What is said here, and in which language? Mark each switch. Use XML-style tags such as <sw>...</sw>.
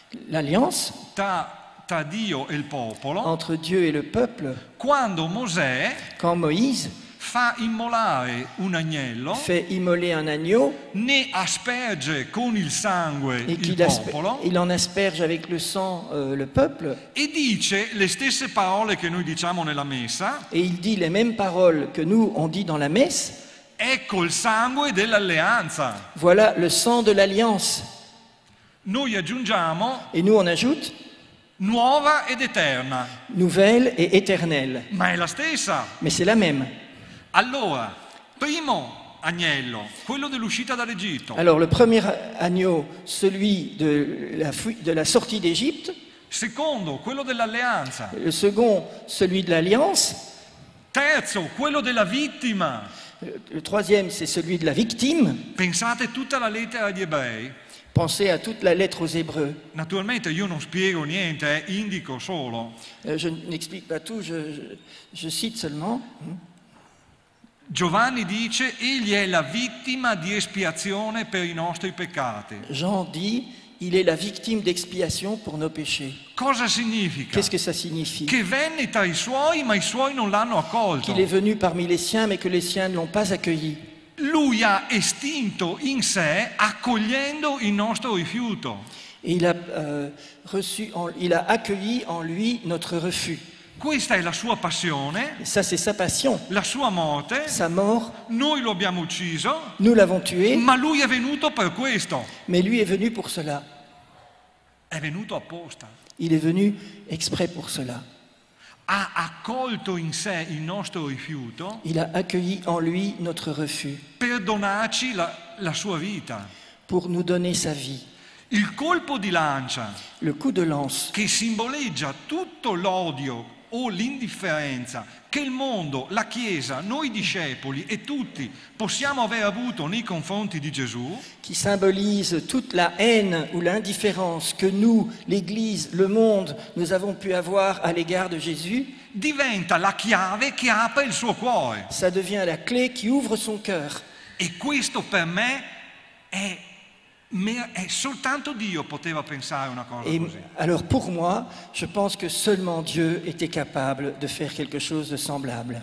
<fr>L'alliance</fr> <it>tra Dio e il popolo.</it> <fr>Entre Dieu et le peuple.</fr> <it>Quando Mosè.</it> <fr>Quand Moïse.</fr> <it>Fa immolare un agnello.</it> <fr>Fait immoler un agneau.</fr> <it>Ne asperge con il sangue il popolo.</it> <fr>Il en asperge avec le sang le peuple.</fr> <it>E dice le stesse parole che noi diciamo nella messa.</it> <fr>Et il dit les mêmes paroles que nous on dit dans la messe.</fr> <it>Ecco il sangue dell'alleanza.</it> <fr>Voilà le sang de l'alliance.</fr> <it>Noi aggiungiamo.</it> <fr>Et nous on ajoute.</fr> <it>Nuova ed eterna.</it> <fr>Nouvelle et éternelle.</fr> <it>Ma è la stessa.</it> <fr>Mais c'est la même.</fr> <it>Allora, primo agnello, quello dell'uscita dall'Egitto.</it> <fr>Alors le premier agneau, celui de la sortie d'Égypte.</fr> <it>Secondo, quello dell'alleanza.</it> <fr>Le second, celui de l'alliance.</fr> <it>Terzo, quello della vittima.</it> <fr>Le troisième, c'est celui de la victime.</fr> <it>Pensate tutta la lettera agli ebrei.</it> <fr>Pensez à toute la lettre aux Hébreux.</fr> <it>Naturalmente io non spiego niente, indico solo.</it> <fr>Je n'explique pas tout, je cite seulement.</fr> <it>Giovanni dice egli è la vittima di espiazione per i nostri peccati.</it> <fr>Jean dit il est la victime d'expiation pour nos péchés.</fr> <it>Cosa significa?</it> <fr>Qu'est-ce que ça signifie?</fr> <it>Che venne tra i suoi ma i suoi non l'hanno accolto.</it> <fr>Qu'il est venu parmi les siens mais que les siens ne l'ont pas accueilli.</fr> <it>Lui ha estinto in sé accogliendo il nostro rifiuto.</it> <fr>Il a accueilli en lui notre refus.</fr> <it>Questa è la sua passione.</it> <fr>Ça c'est sa passion.</fr> <it>La sua morte.</it> <fr>Sa mort.</fr> <it>Noi lo abbiamo ucciso.</it> <fr>Nous l'avons tué.</fr> <it>Ma lui è venuto per questo.</it> <fr>Mais lui est venu pour cela.</fr> <it>È venuto apposta.</it> <fr>Il est venu exprès pour cela.</fr> <it>Ha accolto in sé il nostro rifiuto.</it> <fr>Il a accueilli en lui notre refus.</fr> <it>Per donarci la sua vita.</it> <fr>Pour nous donner sa vie.</fr> <it>Il colpo di lancia.</it> <fr>Le coup de lance.</fr> <it>Che simboleggia tutto l'odio o l'indifferenza che il mondo, la Chiesa, noi discepoli e tutti possiamo aver avuto nei confronti di Gesù.</it> <fr>Qui symbolise toute la haine ou l'indifférence que nous, l'Église, le monde, nous avons pu avoir à l'égard de Jésus.</fr> <it>Diventa la chiave che apre il suo cuore.</it> <fr>Ça devient la clé qui ouvre son cœur.</fr> <it>E questo per me è Mais soltanto Dio poteva pensare una cosa</it> <fr>et,</fr> <it>così.</it> <fr>Alors pour moi, je pense que seulement Dieu était capable de faire quelque chose de semblable.</fr>